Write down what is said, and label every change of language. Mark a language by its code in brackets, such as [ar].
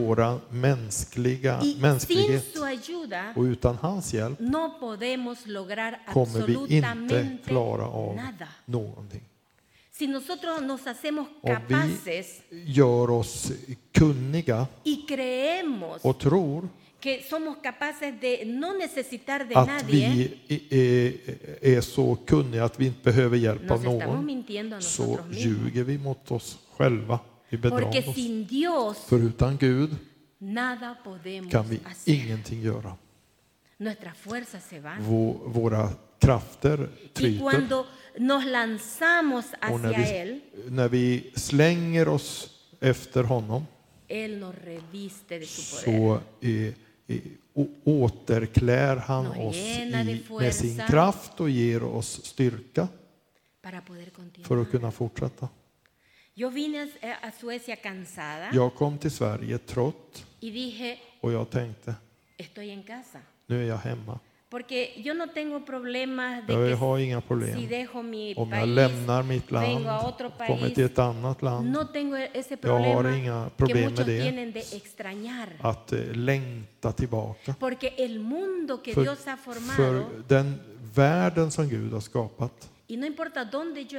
[sv] våra mänskliga mänsklighet, [es] sin su ayuda, [sv] och utan hans hjälp [es] no podemos lograr [sv] kommer vi inte klara av nada. Någonting. [es] Si nosotros nos hacemos capaces, [sv] vi gör oss kunniga [es] y creemos, [sv] och tror [es] que somos capaces de no necesitar de [sv] att [es] nadie, [sv] vi är så kunniga att vi inte behöver hjälp av någon, så ljuger vi mot oss själva. Vi bedrar [es] porque [sv] oss. [es] Sin Dios, [sv] för utan Gud [es] nada podemos [sv] kan vi [es] hacer. [sv] Ingenting göra. [es] Nuestra fuerza se va. [sv] Våra krafter tryter. [es] Y cuando nos lanzamos hacia [sv] när, vi, [es] él, [sv] när vi slänger oss efter honom [es] él nos reviste de su poder. [sv] Så återklär han oss med sin kraft och ger oss styrka [es] para poder continuar. [sv] För att kunna fortsätta. [es] Yo vine a Suecia cansada, [sv] jag kom till Sverige trött [es] y dije, [sv] och jag tänkte [es] estoy en casa. [sv] Nu är jag hemma. [es] Porque yo no tengo problemas de [sv] jag [es] que [sv] har inga problem [es] si dejo mi [sv] om [es] país, [sv] jag lämnar mitt land [es] país, [sv] kommer till ett annat land. [es] No tengo ese [sv] jag har inga problem med det [es] de extrañar, [sv] att längta tillbaka. [es] El mundo que för, Dios ha formado, [sv] för den världen som Gud har skapat [es] y no importa dónde yo